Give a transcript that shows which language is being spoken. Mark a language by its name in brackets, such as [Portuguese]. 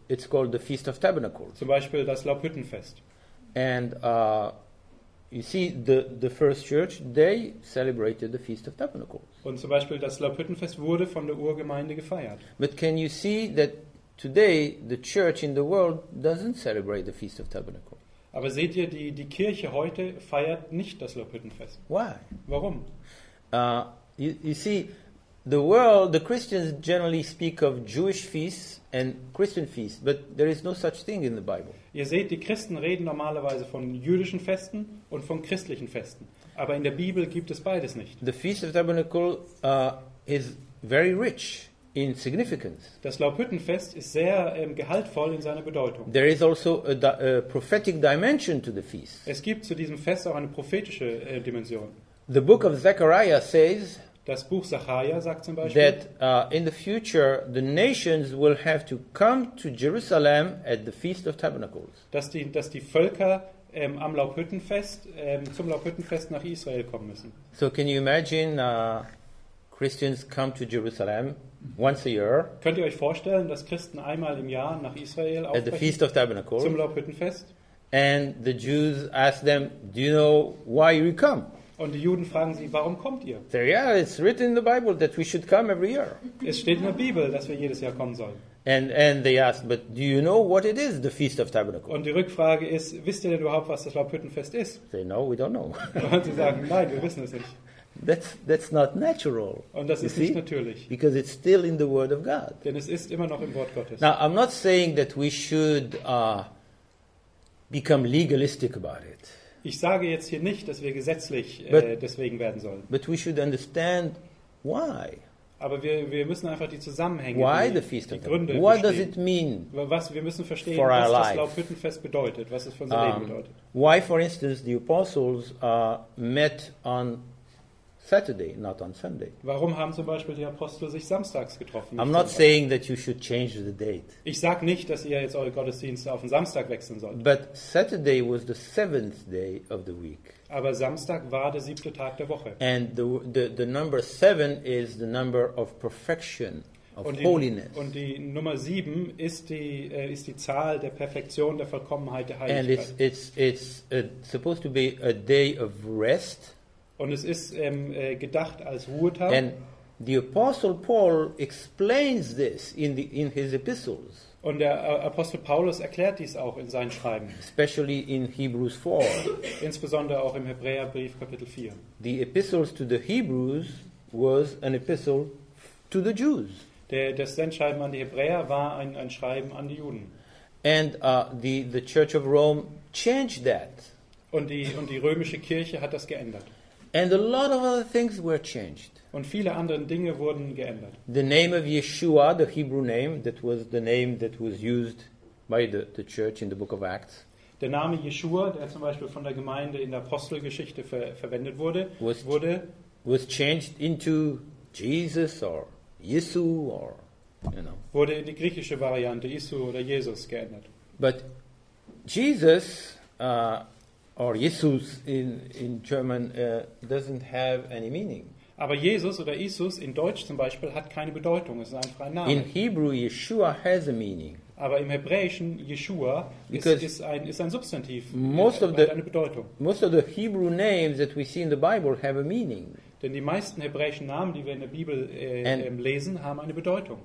[English] It's called the Feast of Tabernacles. [German] Zum Beispiel das Laubhüttenfest. [English] And you see, the first church, they celebrated the Feast of Tabernacles. [German] Und zum Beispiel das Laubhüttenfest wurde von der Urgemeinde gefeiert. [English] But can you see that today the church in the world doesn't celebrate the Feast of Tabernacles? [German] Aber seht ihr, die Kirche heute feiert nicht das Laubhüttenfest. [English] Why? [German] Warum? [English] You see, the world, the Christians generally speak of Jewish feasts and Christian feasts, but there is no such thing in the Bible. [German] Ihr seht, die Christen reden normalerweise von jüdischen Festen und von christlichen Festen. Aber in der Bibel gibt es beides nicht. [English] The Feast of Tabernacles is very rich in significance. [German] Das Laubhüttenfest ist sehr gehaltvoll in seiner Bedeutung. [English] There is also a prophetic dimension to the feast. [German] Es gibt zu diesem Fest auch eine prophetische Dimension. [English] The book of Zechariah says, [German] das Buch Zachariah sagt zum Beispiel, [English] that in the future the nations will have to come to Jerusalem at the Feast of Tabernacles. [German] Dass die Völker am Laubhüttenfest zum Laubhüttenfest nach Israel kommen müssen. [English] So can you imagine Christians come to Jerusalem once a year. [German] Könnt ihr euch vorstellen, dass Christen einmal im Jahr nach Israel [English] at the Feast of Tabernacles, [German] zum Laubhüttenfest? [English] And the Jews ask them, "Do you know why you come?" [German] Und die Juden fragen sie, warum kommt ihr? [English] So, yeah, it's written in the Bible that we should come every year. [German] Es steht in der Bibel, dass wir jedes Jahr kommen sollen. [English] And they ask, but do you know what it is, the Feast of Tabernacles? [German] Und die Rückfrage ist, wisst ihr denn überhaupt, was das Laubhüttenfest ist? [English] They no, we don't know. [German] Und sie sagen, nein, wir wissen es nicht. [English] That's not natural. [German] Und das ist nicht natürlich. [English] Because it's still in the Word of God. [German] Denn es ist immer noch im Wort Gottes. [English] Now, I'm not saying that we should become legalistic about it. [German] Ich sage jetzt hier nicht, dass wir gesetzlich deswegen werden sollen. [English] But we should understand why. [German] Aber wir müssen einfach die Zusammenhänge, die Gründe verstehen. [English] Does it mean, [German] was wir müssen verstehen, was das Laubhüttenfest bedeutet, was es für unser Leben bedeutet. [English] Why, for instance, the apostles met on Saturday, not on Sunday. [German] Warum haben zum Beispiel die Apostel sich samstags getroffen? [English] I'm not saying that you should change the date. [German] Ich sage nicht, dass ihr jetzt eure Gottesdienste auf den Samstag wechseln sollt. [English] But Saturday was the seventh day of the week. [German] Aber Samstag war der siebte Tag der Woche. [English] And the number seven is the number of perfection, of holiness. [German] Und die Nummer sieben ist die Zahl der Perfektion, der Vollkommenheit, der Heiligkeit. [English] And it's supposed to be a day of rest. [German] Und es ist gedacht als Ruhetag. [English] And the Apostle Paul explains this in his epistles. [German] Und der Apostel Paulus erklärt dies auch in seinen Schreiben. [English] Especially in Hebrews 4. [German] Insbesondere auch im Hebräerbrief Kapitel 4. [English] The epistles to the Hebrews was an epistle to the Jews. [German] Das Sendschreiben an die Hebräer war ein Schreiben an die Juden. [English] And the Church of Rome changed that. [German] Und die römische Kirche hat das geändert. [English] And a lot of other things were changed. [German] Und viele andere Dinge wurden geändert. [English] The name of Yeshua, the Hebrew name, that was the name that was used by the church in the book of Acts. [German] Der Name Yeshua, der zum Beispiel von der Gemeinde in der Apostelgeschichte verwendet wurde, [English] was changed into Jesus or Yesu or, you know. [German] Wurde in die griechische Variante Yesu oder Jesus geändert. [English] But Jesus, or Jesus in German, doesn't have any meaning. [German] Aber Jesus oder Jesus in Deutsch zum Beispiel hat keine Bedeutung. Es ist einfach ein Name. [English] In Hebrew, Yeshua has a meaning. [German] Aber im Hebräischen Yeshua ist ein Substantiv. Hat eine Bedeutung. [English] Most of the Hebrew names that we see in the Bible have a meaning. [German] Denn die meisten hebräischen Namen, die wir in der Bibel lesen, haben eine Bedeutung.